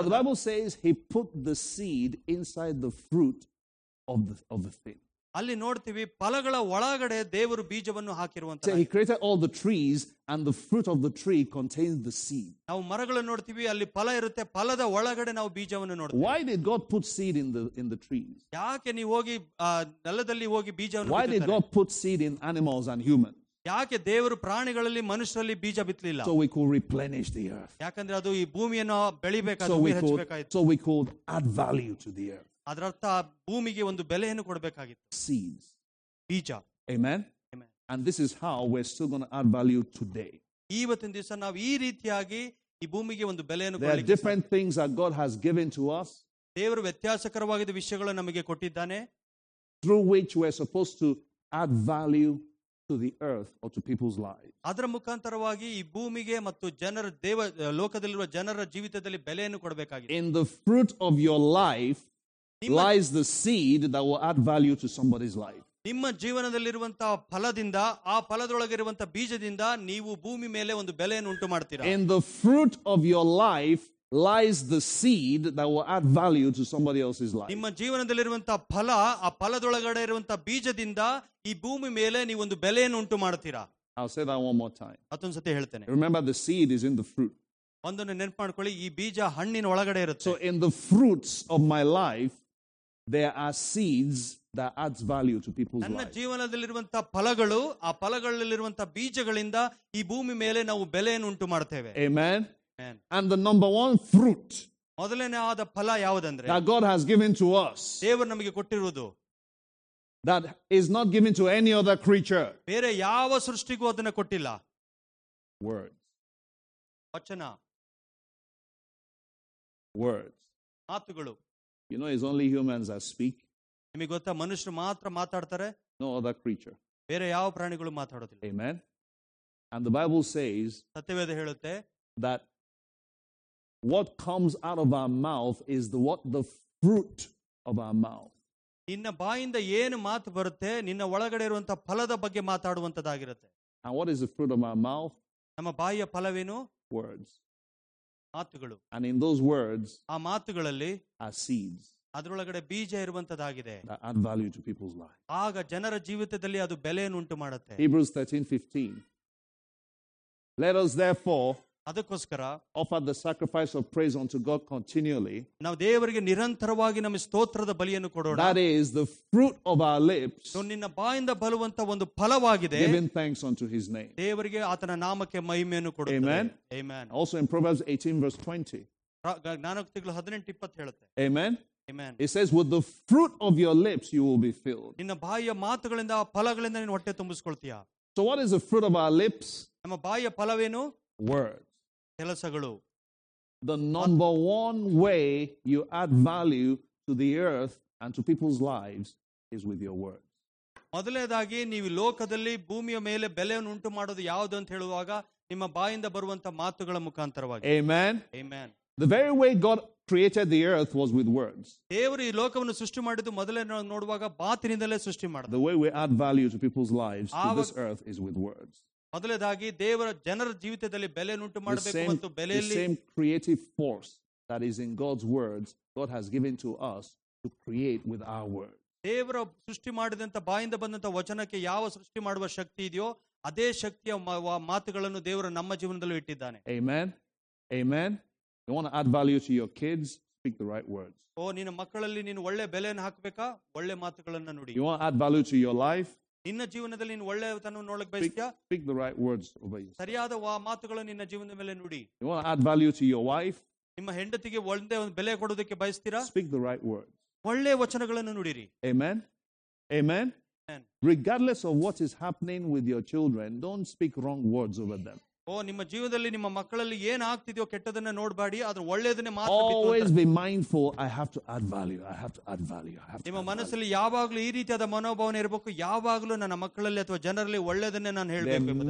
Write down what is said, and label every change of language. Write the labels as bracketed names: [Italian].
[English] But the Bible says he put the seed inside the fruit of the thing. [Kannada] ಅಲ್ಲಿ ನೋಡ್ತೀವಿ ಫಲಗಳ ಒಳಗಡೆ ದೇವರು ಬೀಜವನ್ನು ಹಾಕಿರುವಂತ. [English] He created all the trees and the fruit of the tree contains the seed. [Kannada] ನಾವು ಮರಗಳನ್ನು ನೋಡ್ತೀವಿ ಅಲ್ಲಿ ಫಲ ಇರುತ್ತೆ ಫಲದ ಒಳಗಡೆ ನಾವು ಬೀಜವನ್ನು ನೋಡ್ತೀವಿ. [English] Why did God put seed in the trees? [Kannada] ಯಾಕೆ ನೀವು ಹೋಗಿ ನೆಲದಲ್ಲಿ ಹೋಗಿ ಬೀಜವನ್ನು ಬಿತ್ತಿದ್ರಿ? [English] Why did God put seed in animals and humans? [Kannada] ಯಾಕೆ ದೇವರು ಪ್ರಾಣಿಗಳಲ್ಲಿ ಮನುಷ್ಯರಲ್ಲಿ ಬೀಜ ಬಿತ್ತಲಿಲ್ಲ? [English] So we could replenish the earth. [Kannada] ಯಾಕಂದ್ರೆ ಅದು ಈ ಭೂಮಿಯನ್ನು ಬೆಳಿಬೇಕಾದ್ರೆ ಹೆಚ್ಚಬೇಕಾಯಿತು. [English] So we could add value to the earth. [Kannada] ಅದರರ್ಥ ಭೂಮಿಗೆ ಒಂದು ಬೆಲೆಯನ್ನು ಕೊಡಬೇಕಾಗಿತ್ತು. [English] Seeds. [Kannada] ಬೀಜ. [English] Amen. Amen. And this is how we're still going to add value today. [Kannada] ಇವತ್ತಿನ ದಿವಸ ನಾವು ಈ ರೀತಿಯಾಗಿ ಈ ಭೂಮಿಗೆ ಒಂದು ಬೆಲೆಯನ್ನು ಕೊಡಬೇಕು. [English] There are different things that God has given to us. [Kannada] ದೇವರು ವ್ಯತ್ಯಾಸಕರವಾದ ವಿಷಯಗಳನ್ನು ನಮಗೆ ಕೊಟ್ಟಿದ್ದಾನೆ. [English] Through which we're supposed to add value to the earth or to people's lives. [Kannada] ಅದರ ಮುಖಾಂತರವಾಗಿ ಈ ಭೂಮಿಗೆ ಮತ್ತು ಜನರ ದೇವ ಲೋಕದಲ್ಲಿರುವ ಜನರ ಜೀವಿತದಲ್ಲಿ ಬೆಲೆಯನ್ನು ಕೊಡಬೇಕಾಗಿದೆ. [English] In the fruit of your life lies the seed that will add value to somebody's life. [Kannada] ನಿಮ್ಮ ಜೀವನದಲ್ಲಿರುವಂತಹ ಫಲದಿಂದ ಆ ಫಲದೊಳಗಿರುವಂತಹ ಬೀಜದಿಂದ ನೀವು ಭೂಮಿ ಮೇಲೆ ಒಂದು ಬೆಲೆಯನ್ನು ಉಂಟು ಮಾಡ್ತೀರಾ. [English] In the fruit of your life lies the seed that will add value to somebody else's life. [Kannada] ನಿಮ್ಮ ಜೀವನದಲ್ಲಿರುವಂತಹ ಫಲ ಆ ಫಲದೊಳಗಡೆ ಇರುವಂತಹ ಬೀಜದಿಂದ ಈ ಭೂಮಿ ಮೇಲೆ ನೀವು ಒಂದು ಬೆಲೆಯನ್ನು ಉಂಟು ಮಾಡ್ತೀರಾ. [English] I'll say that one more time. [Kannada] ಮತ್ತೊಂದು ಸತಿ ಹೇಳ್ತೇನೆ. [English] Remember the seed is in the fruit. [Kannada] ಒಂದನ್ನು ನೆನಪು ಮಾಡ್ಕೊಳ್ಳಿ ಈ ಬೀಜ ಹಣ್ಣಿನ ಒಳಗಡೆ ಇರುತ್ತೆ. [English] So in the fruits of my life there are seeds that adds value to people's lives. [Kannada] ನನ್ನ ಜೀವನದಲ್ಲಿರುವಂತಹ ಫಲಗಳು ಆ ಫಲಗಳಲ್ಲಿರುವಂತಹ ಬೀಜಗಳಿಂದ ಈ ಭೂಮಿ ಮೇಲೆ ನಾವು ಬೆಲೆಯನ್ನು ಉಂಟು ಮಾಡ್ತೇವೆ. [English] Amen. And the number one fruit [Kannada] ಮೊದಲನೇ ಆದ ಫಲ ಯಾವುದಂದ್ರೆ [English] that God has given to us [Kannada] ದೇವರು ನಮಗೆ ಕೊಟ್ಟಿರುವುದು [English] that is not given to any other creature [Kannada] ಬೇರೆ ಯಾವ ಸೃಷ್ಟಿಗೂ ಅದನ್ನು ಕೊಟ್ಟಿಲ್ಲ. [English] Words. [Kannada] ವಚನ. [English] Words. [Kannada] ಮಾತುಗಳು. [English] You know, it's only humans that speak. [Kannada] ನಿಮಗೆ ಗೊತ್ತಾ ಮನುಷ್ಯರು ಮಾತ್ರ ಮಾತಾಡ್ತಾರೆ. [English] No other creature. [Kannada] ಬೇರೆ ಯಾವ ಪ್ರಾಣಿಗಳು ಮಾತಾಡೋದಿಲ್ಲ. [English] Amen. And the Bible says [Kannada] ಸತ್ಯವೇದ ಹೇಳುತ್ತೆ [English] that what comes out of our mouth is the what the fruit of our mouth. [Kannada] ನಿನ್ನ ಬಾಯಿಂದ ಏನು ಮಾತು ಬರುತ್ತೆ ನಿನ್ನ ಒಳಗಡೆ ಇರುವಂತ ಫಲದ ಬಗ್ಗೆ ಮಾತಾಡುವಂತದಾಗಿರುತ್ತೆ. [English] And what is the fruit of our mouth? [Kannada] ನಮ್ಮ ಬಾಯಿಯ ಫಲವೇನು? [English] Words. [Kannada] ಮಾತುಗಳು. [English] And in those words [Kannada] ಆ ಮಾತುಗಳಲ್ಲಿ [English] are seeds. [Kannada] ಅದರೊಳಗಡೆ ಬೀಜ ಇರುವಂತದಾಗಿದೆ. [English] That add value to people's life. [Kannada] ಆಗ ಜನರ ಜೀವಿತದಲ್ಲಿ ಅದು ಬೆಲೆಯನ್ನು ಉಂಟು ಮಾಡುತ್ತೆ. [English] Hebrews 13:15. Let us therefore [Kannada] ಅದಕ್ಕೋಸ್ಕರ [English] offer the sacrifice of praise unto God continually. [Kannada] ನಾವು ದೇವರಿಗೆ ನಿರಂತರವಾಗಿ ನಮ್ಮ ಸ್ತೋತ್ರದ ಬಲಿಯನ್ನು ಕೊಡೋಣ. [English] That is the fruit of our lips. [Kannada] ನಿನ್ನ ಬಾಯಿಂದ ಬರುವಂತ ಒಂದು ಫಲವಾಗಿದೆ. [English] Giving thanks unto his name. [Kannada] ದೇವರಿಗೆ ಆತನ ನಾಮಕ್ಕೆ ಮಹಿಮೆಯನ್ನು ಕೊಡುತ್ತೆ. [English] Amen. Amen. Also in Proverbs 18:20. [Kannada] ಜ್ಞಾನೋಕ್ತಿಗಳು 18:20 ಹೇಳುತ್ತೆ. [English] Amen. Amen. It says with the fruit of your lips you will be filled. [Kannada] ನಿನ್ನ ಬಾಯಿಯ ಮಾತುಗಳಿಂದ ಫಲಗಳಿಂದ ನೀನು ಹೊಟ್ಟೆ ತುಂಬಿಸಿಕೊಳ್ತೀಯ. [English] So what is the fruit of our lips? [Kannada] ನಮ್ಮ ಬಾಯಿಯ ಫಲವೇನು? [English] Words. [Kannada] ಕೆಲಸಗಳು. [English] The number one way you add value to the earth and to people's lives is with your words. [Kannada] ಮೊದಲನೇದಾಗಿ ನೀವು ಲೋಕದಲ್ಲಿ ಭೂಮಿಯ ಮೇಲೆ ಬೆಲೆಯನ್ನು ಉಂಟು ಮಾಡೋದು ಯಾವುದು ಅಂತ ಹೇಳುವಾಗ ನಿಮ್ಮ ಬಾಯಿಂದ ಬರುವಂತಹ ಮಾತುಗಳ ಮುಖಾಂತರವಾಗಿ. Amen, amen. [English] The very way God created the earth was with words. [Kannada] ದೇವರು ಈ ಲೋಕವನ್ನು ಸೃಷ್ಟಿ ಮಾಡಿದ್ದು ಮೊದಲನೇ ನೋಡುವಾಗ ಮಾತಿನಿಂದಲೇ ಸೃಷ್ಟಿ ಮಾಡಿದ. [English] The way we add value to people's lives to this earth is with words. [Kannada] ಮೊದಲನೇದಾಗಿ ದೇವರ ಜನರ ಜೀವಿತದಲ್ಲಿ ಬೆಲೆಯನ್ನು ಉಂಟು ಮಾಡಬೇಕು ಮತ್ತು ಬೆಲೆಯಲ್ಲಿ [English] the same creative force that is in God's words God has given to us to create with our words. [Kannada] ದೇವರ ಸೃಷ್ಟಿ ಮಾಡಿದಂತ ಬಾಯಿಂದ ಬಂದಂತ ವಚನಕ್ಕೆ ಯಾವ ಸೃಷ್ಟಿ ಮಾಡುವ ಶಕ್ತಿ ಇದೆಯೋ ಅದೇ ಶಕ್ತಿಯ ಮಾತುಗಳನ್ನು ದೇವರು ನಮ್ಮ ಜೀವನದಲ್ಲೂ ಇಟ್ಟಿದ್ದಾನೆ. Amen, amen. [English] You want to add value to your kids, speak the right words. [Kannada] ಓ ನಿನ್ನ ಮಕ್ಕಳಲ್ಲಿ ನೀನು ಒಳ್ಳೆ ಬೆಲೆಯನ್ನು ಹಾಕಬೇಕಾ, ಒಳ್ಳೆ ಮಾತುಗಳನ್ನು ನುಡಿ. [English] You want to add value to your life, [Kannada] ನಿನ್ನ ಜೀವನದಲ್ಲಿ ನೀನು ಒಳ್ಳೆಯತನ ನೋಡಲು ಬಯಸ್ತೀಯಾ, [English] speak the right words over you. [Kannada] ಸರಿಯಾದ ಮಾತುಗಳನ್ನು ನಿನ್ನ ಜೀವನದ ಮೇಲೆ ನುಡಿ. [English] You want to add value to your wife, [Kannada] ನಿಮ್ಮ ಹೆಂಡತಿಗೆ ಒಳ್ಳೆ ಒಂದು ಬೆಲೆ ಕೊಡೋದಕ್ಕೆ ಬಯಸ್ತೀರಾ, [English] speak the right words. [Kannada] ಒಳ್ಳೆ ವಚನಗಳನ್ನು ನುಡಿರಿ. [English] Amen. Amen. Regardless of what is happening with your children, don't speak wrong words over them. [Kannada] ಓ ನಿಮ್ಮ ಜೀವನದಲ್ಲಿ ನಿಮ್ಮ ಮಕ್ಕಳಲ್ಲಿ ಏನಾಗ್ತಿದೆಯೋ ಕೆಟ್ಟದನ್ನ ನೋಡಬೇಡಿ, ಅದ್ರ ಒಳ್ಳೆಯದನ್ನೇ ಮಾತ್ರ. [English] Always be mindful, I have to add value, I have to add value. [Kannada] ನಿಮ್ಮ ಮನಸ್ಸಲ್ಲಿ ಯಾವಾಗಲೂ ಈ ರೀತಿಯಾದ ಮನೋಭಾವನೆ ಇರಬೇಕು, ಯಾವಾಗಲೂ ನನ್ನ ಮಕ್ಕಳಲ್ಲಿ ಅಥವಾ ಜನರಲ್ಲಿ ಒಳ್ಳೆಯದನ್ನೇ ನಾನು ಹೇಳಬೇಕು.